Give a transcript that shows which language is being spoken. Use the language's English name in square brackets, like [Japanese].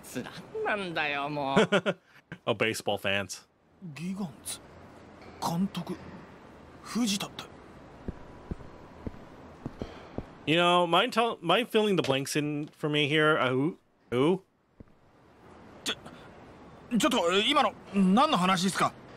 [Japanese] よりによって藤田かよ。何?まあ、俺もビビりましたけど。それにしてもあいつまだ監督やってたんすね。終わった。来シーズンも終わった。ギガンツなんなんだよ、もう。Oh, [English] baseball fans. [Japanese] ギガンツ監督藤田って。 [English] You know, mind filling the blanks in for me here. Who? [Japanese] ちょっと今の何の話ですか?